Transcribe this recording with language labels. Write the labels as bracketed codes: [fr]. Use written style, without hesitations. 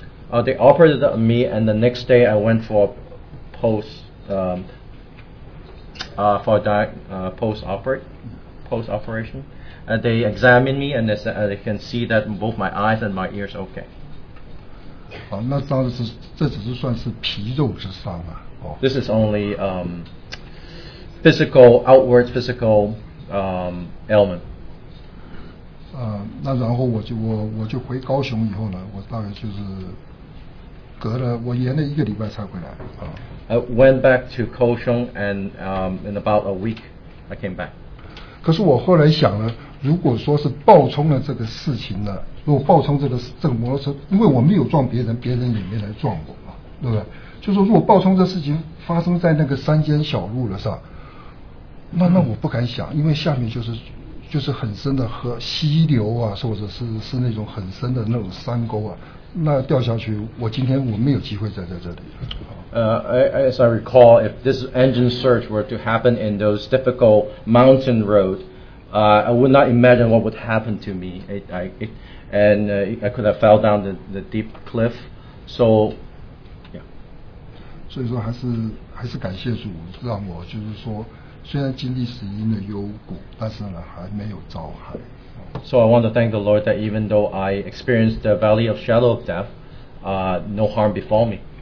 [en] They operated on me and the next day I went for post operation. And they examined me and they said, they can see that both my eyes and my ears are okay. [zh] 好，那当然是这只是算是皮肉之伤啊。 [en] This is only physical ailment. [zh] 那然后我就回高雄以后呢，我大概就是隔了我延了一个礼拜才回来。 [en] I went back to Kaohsiung and in about a week I came back. [zh] 可是我后来想了。如果说是爆冲了这个事情呢，如果爆冲这个摩托车，因为我没有撞别人，别人也没来撞我嘛，对不对？就说如果爆冲这事情发生在那个山间小路了，是吧？那我不敢想，因为下面就是很深的河溪流啊，或者是那种很深的那种山沟啊，那掉下去，我今天没有机会在这里。 [en] As I recall, if this engine surge were to happen in those difficult mountain roads. I would not imagine what would happen to me. I could have fell down the deep cliff. So, yeah. [zh] 所以说还是感谢主，让我就是说，虽然经历死因的幽谷，但是呢还没有遭害。 [en] So I want to thank the Lord that even though I experienced the valley of shadow of death, no harm befall me.